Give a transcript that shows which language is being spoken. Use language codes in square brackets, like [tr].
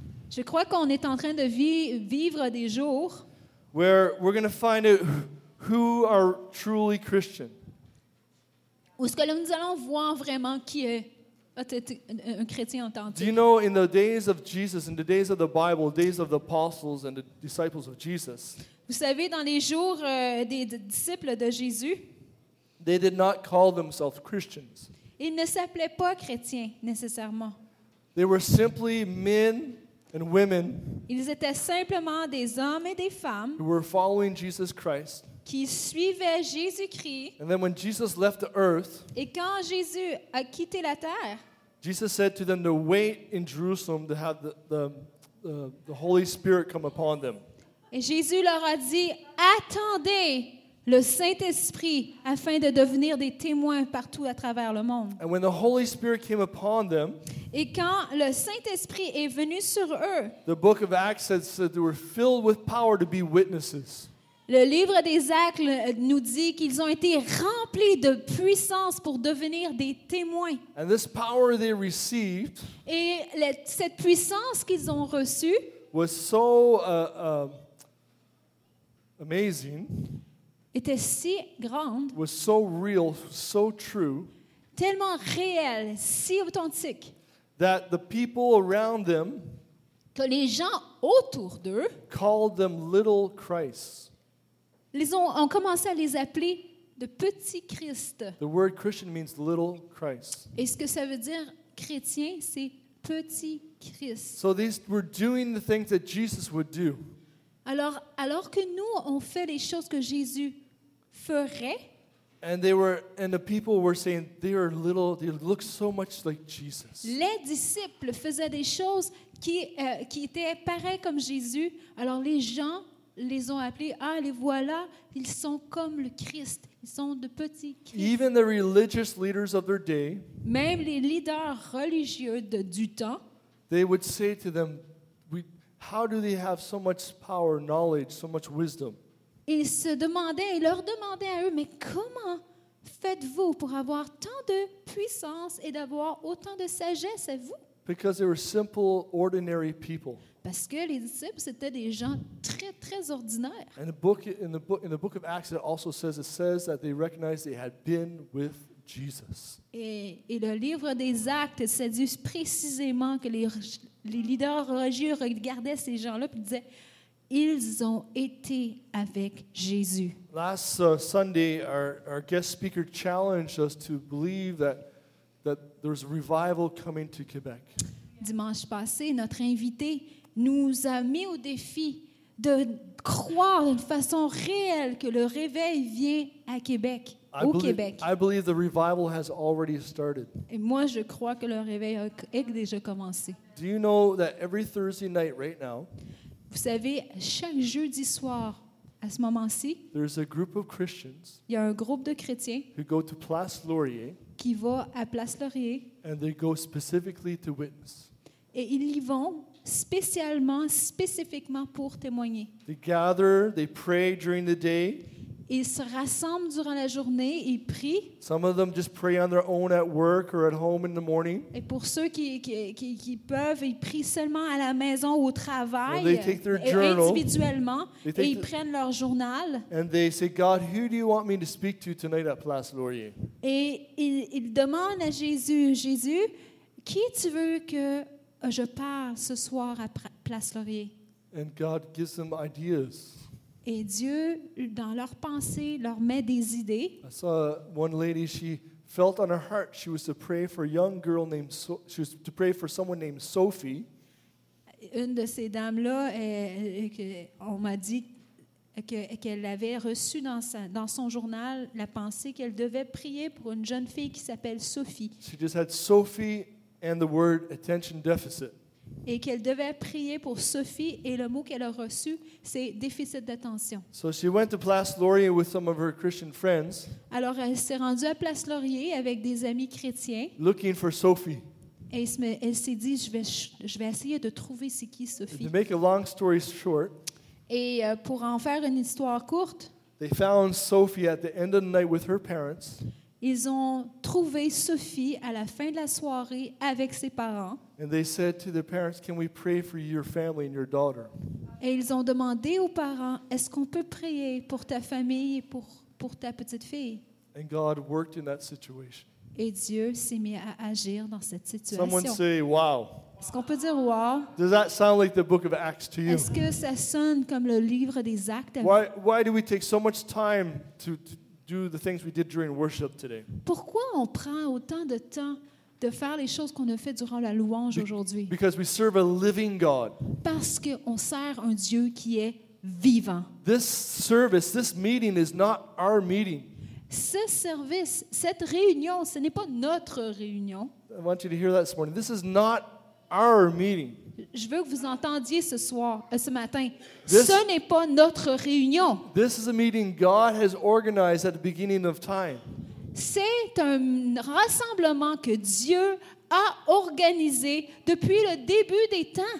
[fr] Je crois qu'on est en train de vivre des jours. [en] Where we're going to find out who are truly Christian. [fr] Où est-ce que nous allons voir vraiment qui est un chrétien authentique? [en] Do you know, in the days of Jesus, in the days of the Bible, days of the apostles and the disciples of Jesus. [fr] Vous savez, dans les jours des disciples de Jésus, [en] they did not call themselves Christians. [fr] Ils ne s'appelaient pas chrétiens nécessairement. [en] They were simply men and women. [fr] Ils étaient simplement des hommes et des femmes [en] who were following Jesus Christ. [fr] Qui suivaient Jésus-Christ. [en] And then when Jesus left the earth, [fr] et quand Jésus a quitté la terre, [en] Jesus said to them to wait in Jerusalem to have the Holy Spirit come upon them. [fr] Et Jésus leur a dit, attendez le Saint-Esprit afin de devenir des témoins partout à travers le monde. [en] And when the Holy Spirit came upon them, [fr] et quand le Saint-Esprit est venu sur eux, [en] the book of Acts said they were filled with power to be witnesses. [fr] Le livre des Actes nous dit qu'ils ont été remplis de puissance pour devenir des témoins. [en] And this power they received, [fr] et cette puissance qu'ils ont reçue [en] was so amazing, [fr] était si grande, [en] was so real, so true, [fr] tellement réelle, si authentique, [en] that the people around them, [fr] que les gens autour d'eux, [en] called them little Christs. [fr] Ils ont commencé à les appeler de petits Christ. [en] The word Christian means little Christ. [fr] Et ce que ça veut dire chrétien, c'est petit Christ. [en] So these were doing the things that Jesus would do. [fr] Alors que nous on fait les choses que Jésus ferait. [en] And they were, and the people were saying they are little. They look so much like Jesus. [fr] Les disciples faisaient des choses qui étaient pareilles comme Jésus. Alors les gens les ont appelés. Ah, les voilà. Ils sont comme le Christ. Ils sont de petits Christ. [en] Even the religious leaders of their day. [fr] Même les leaders religieux du temps. [en] They would say to them, how do they have so much power, knowledge, so much wisdom? [fr] Ils se demandaient, ils leur demandaient à eux, mais comment faites-vous pour avoir tant de puissance et d'avoir autant de sagesse à vous? [en] Because they were simple, ordinary people. [fr] Parce que les disciples c'étaient des gens très très ordinaires. [en] And in the book of Acts, it also says that they recognized they had been with Jesus. [fr] Et le livre des Actes, ça dit précisément que les leaders religieux regardaient ces gens-là et disaient, ils ont été avec Jésus. [en] Last Sunday, our guest speaker challenged us to believe that there's a revival coming to Quebec. [fr] Dimanche passé, notre invité nous a mis au défi de croire d'une façon réelle que le réveil vient à Québec. [en] I believe the revival has already started. [fr] Et moi, je crois que le réveil a déjà commencé. [en] Do you know that every Thursday night right now, [fr] vous savez, chaque jeudi soir, à ce moment-ci, [en] there's a group of Christians, [fr] il y a un groupe de chrétiens, [en] who go to Place Laurier, [fr] qui va à Place Laurier, [en] and they go specifically to witness. [fr] Et ils y vont spécifiquement pour témoigner. [en] They gather, they pray during the day. [fr] Ils se rassemblent durant la journée et prient. [en] Some of them just pray on their own at work or at home in the morning. [fr] Et pour ceux qui peuvent, ils prient seulement à la maison ou au travail. [en] They take their journal, [fr] individuellement, et ils prennent leur journal. [en] And they say, God, who do you want me to speak to tonight at Place Laurier? [fr] Et ils demandent à Jésus, qui tu veux que je parle ce soir à Place Laurier? [en] And God gives them ideas. [fr] Et Dieu, dans leur pensée, leur met des idées. [en] I saw one lady, she felt on her heart she was to pray for a young girl named she was to pray for someone named Sophie. [fr] Une de ces dames-là, on m'a dit, qu'elle avait reçue dans, dans son journal la pensée qu'elle devait prier pour une jeune fille qui s'appelle Sophie. [en] She just had Sophie and the word attention deficit. [fr] Et qu'elle devait prier pour Sophie et le mot qu'elle a reçu, c'est déficit d'attention. [en] So she went to Place Laurier with some of her Christian friends. [fr] Alors elle s'est rendue à Place Laurier avec des amis chrétiens. [en] Looking for Sophie. [fr] Et elle s'est dit, je vais essayer de trouver c'est qui Sophie. [en] To make a long story short. [fr] Et pour en faire une histoire courte. [en] They found Sophie at the end of the night with her parents. [fr] Ils ont trouvé Sophie à la fin de la soirée avec ses parents. [en] And they said to the parents, can we pray for your family and your daughter? [fr] Et ils ont demandé aux parents, est-ce qu'on peut prier pour ta famille et pour ta petite fille? [en] And God worked in that situation. [fr] Et Dieu s'est mis à agir dans cette situation. [en] Someone say, wow. [fr] Est-ce qu'on peut dire wow? [en] Does that sound like the book of Acts to you? [fr] Est-ce que ça sonne comme le livre des Actes? [en] Why do we take so much time to do the things we did during worship today? [fr] Pourquoi on prend autant de temps de faire les choses qu'on a fait durant la louange aujourd'hui? [en] Because we serve a living God. [fr] Parce que on sert un Dieu qui est vivant. [en] This service, this meeting is not our meeting. [fr] Ce service, cette réunion, ce n'est pas notre réunion. [en] I want you to hear that this morning. This is not our meeting. [fr] Je veux que vous entendiez ce soir, ce matin. Ce n'est pas notre réunion. [en] This is a meeting God has organized at the beginning of time. [fr] C'est un rassemblement que Dieu a organisé depuis le début des temps.